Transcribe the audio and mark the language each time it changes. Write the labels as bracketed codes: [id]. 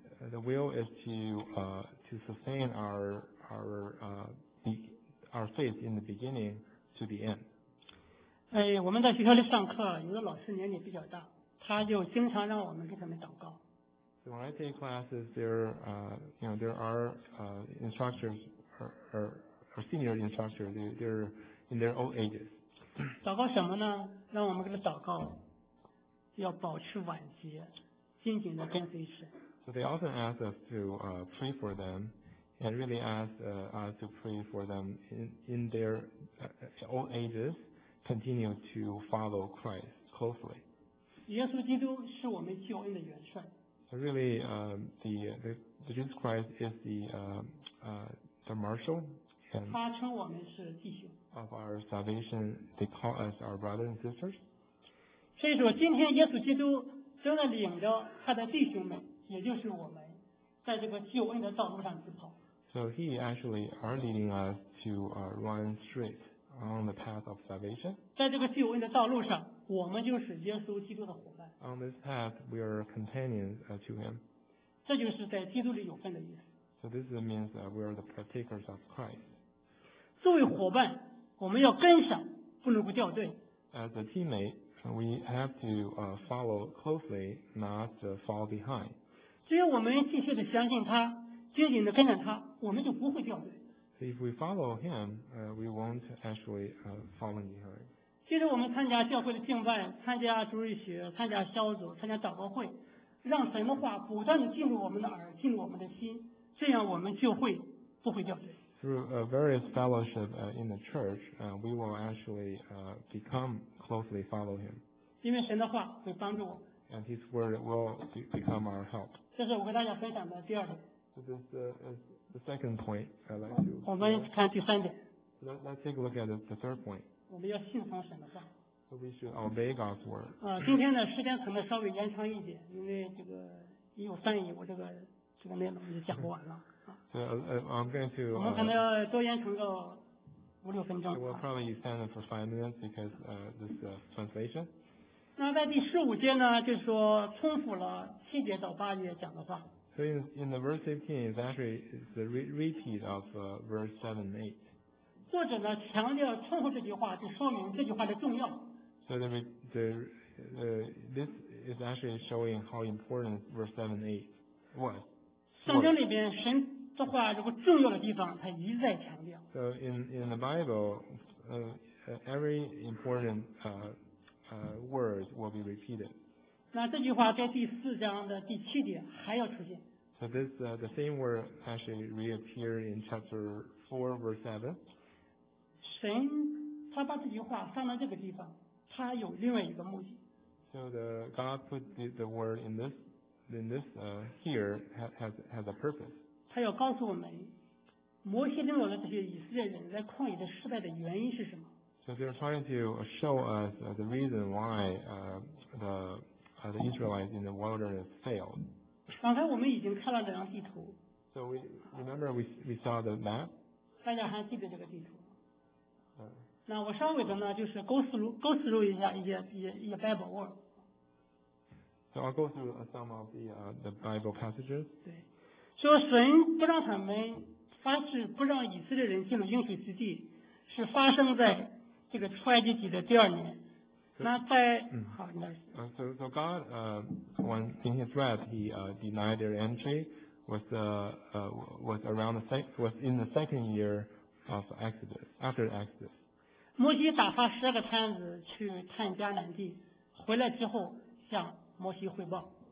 [en] The will is to sustain our faith in the beginning to the end. [zh] 哎，我们在学校里上课，有的老师年纪比较大，他就经常让我们给他们祷告。 [en] So when I take classes, there are instructors or senior instructors. They're in their old ages. [zh] 祷告什么呢？让我们给他祷告，要保持晚节，紧紧的跟随神。 [en] So they often ask us to pray for them. And really ask us to pray for them in their old ages, continue to follow Christ closely. [zh] 耶稣基督是我们救恩的元帅。 [en] So really, the Jesus Christ is the marshal. [zh] 他称我们是弟兄。 [en] Of our salvation, they call us our brothers and sisters. [zh] 所以说，今天耶稣基督正在领着他的弟兄们，也就是我们，在这个救恩的道路上去跑。 [en] So he actually are leading us to run straight on the path of salvation. [zh] 在这个救恩的道路上，我们就是耶稣基督的伙伴。 [en] On this path, we are companions to him. [zh] 这就是在基督里有份的意思。 [en] So this means that we are the partakers of Christ. [zh] 作为伙伴，我们要跟上，不能够掉队。 [en] As a teammate, we have to follow closely, not fall behind. [zh] 只有我们继续的相信他。紧紧地跟着他，我们就不会掉队。 [en] So if we follow him, we won't actually fall behind. [zh] 其实我们参加教会的敬拜，参加主日学，参加小组，参加祷告会，让神的话不断地进入我们的耳，进入我们的心，这样我们就会不会掉队。 [en] Through various fellowship in the church, we will actually become closely follow him. [zh] 因为神的话会帮助我们。 [en] And his word will become our help. [zh] 这是我跟大家分享的第二点。 [en] So this is the second point I'd like to. [zh] 我们看第三点。 [en] Let's take a look at the third point. [zh] 我们要信从神的话。 [en] So we should obey God's word. [zh] 今天呢时间可能稍微延长一点，因为这个一有翻译，我这个内容就讲不完了。 [en] So I'm going to. [zh] 我们可能要多延长个五六分钟。 [en] We'll probably extend for 5 minutes because this translation. [zh] 那在第十五节呢，就是说重复了七节到八节讲的话。 [en] So in the verse 15, it's actually the repeat of verse 7 and 8. [zh] 作者呢强调重复这句话，就说明这句话的重要。 [en] So this is actually showing how important verse 7 and 8 was. [zh] 圣经里边神的话如果重要的地方，他一再强调。 [en] So in the Bible, every important word will be repeated. [zh] 那这句话在第四章的第七节还要出现。 [en] So this the same word actually reappear in chapter 4 verse 7. [zh] 神他把这句话放在这个地方，他有另外一个目的。 [en] So the God put the word in this here has a purpose. [zh] 他要告诉我们，摩西领导的这些以色列人在旷野的失败的原因是什么。 [en] So they're trying to show us the reason why the Israelites in the wilderness failed. [zh] 刚才我们已经看了两张地图。 [en] So we remember we saw the map. [zh] 大家还记得这个地图？那我稍微的呢，就是 [en] go through [zh] 一下一些 [en] Bible word. So I'll go through some of the Bible passages. [zh] 对，说神不让他们发誓，不让以色列人进入应许之地，是发生在这个出埃及记的第二年。 [en] So God, when in his wrath he denied their entry, was around the was in the second year of Exodus, after Exodus. [zh] 摩西打发十二个探子去探迦南地，回来之后向摩西汇报。